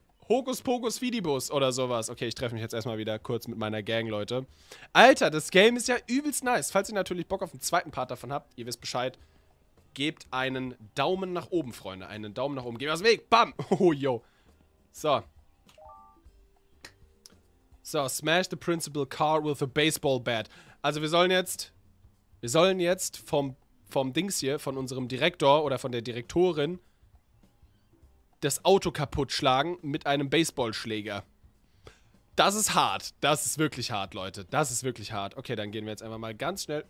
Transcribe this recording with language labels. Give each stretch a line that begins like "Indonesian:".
German: Hokus Pokus Fidibus oder sowas. Okay, ich treffe mich jetzt erstmal wieder kurz mit meiner Gang, Leute. Alter, das Game ist ja übelst nice. Falls ihr natürlich Bock auf den zweiten Part davon habt, ihr wisst Bescheid, gebt einen Daumen nach oben, Freunde. Einen Daumen nach oben. Geht aus dem Weg. Bam. Oh, yo. So.
English: So, smash the principal car with a baseball bat.
German: Also wir sollen jetzt vom Dings hier, von unserem Direktor oder von der Direktorin, das Auto kaputt schlagen mit einem Baseballschläger. Das ist hart. Das ist wirklich hart, Leute. Das ist wirklich hart. Okay, dann gehen wir jetzt einfach mal ganz schnell.